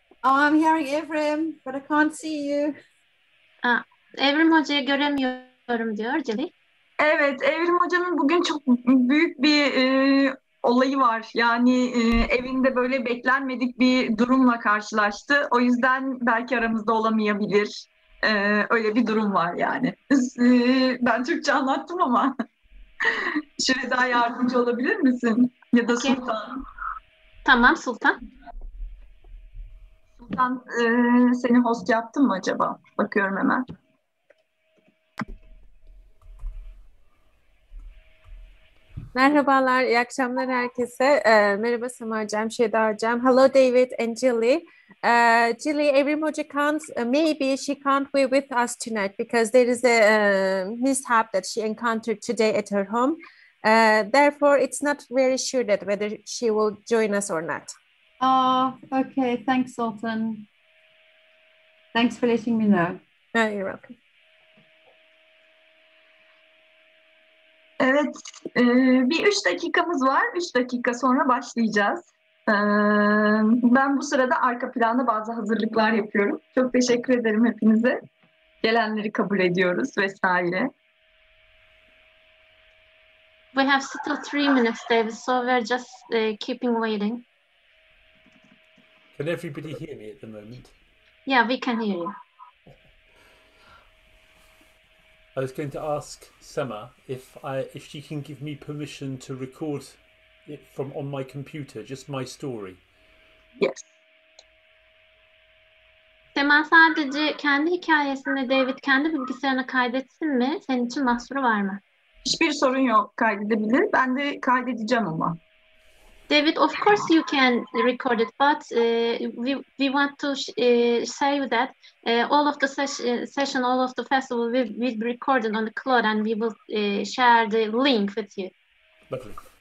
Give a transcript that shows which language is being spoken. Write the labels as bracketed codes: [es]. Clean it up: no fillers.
[en] Oh, I'm hearing Evrim, but I can't see you. [tr] Evrim Hoca'yı göremiyorum diyor Julie. Evet, Evrim Hoca'nın bugün çok büyük bir olayı var. Yani evinde böyle beklenmedik bir durumla karşılaştı. O yüzden belki aramızda olamayabilir. Öyle bir durum var yani. Ben Türkçe anlattım ama. Şöyle daha yardımcı olabilir misin? Ya da okay. Sultan. Tamam Sultan. Sultan seni host yaptın mı acaba? Bakıyorum hemen. Merhabalar, iyi akşamlar herkese. Merhaba Samarcam, Şedarcam. [en] Hello David and Julie. Julie, Evrim Hoca can't, maybe she can't be with us tonight because there is a mishap that she encountered today at her home. Therefore, it's not very sure that whether she will join us or not. Oh, okay. Thanks, Sultan. Thanks for letting me know. No, you're welcome. [tr] Evet, bir 3 dakikamız var. 3 dakika sonra başlayacağız. Ben bu sırada arka planda bazı hazırlıklar yapıyorum. Çok teşekkür ederim hepinize. Gelenleri kabul ediyoruz vesaire. [en] We have still 3 minutes, David, so we're just keeping waiting. Can everybody hear me at the moment? Yeah, we can hear you. I was going to ask Sema if she can give me permission to record it from on my computer, just my story. Yes. [tr] Sema sadece kendi hikayesini David kendi bilgisayarına kaydetsin mi? Senin için mahsuru var mı? Hiçbir sorun yok, kaydedebilir. Ben de kaydedeceğim ama. [en] David, of course you can record it, but we want to say that all of the session, all of the festival will be recorded on the cloud and we will share the link with you. Lovely.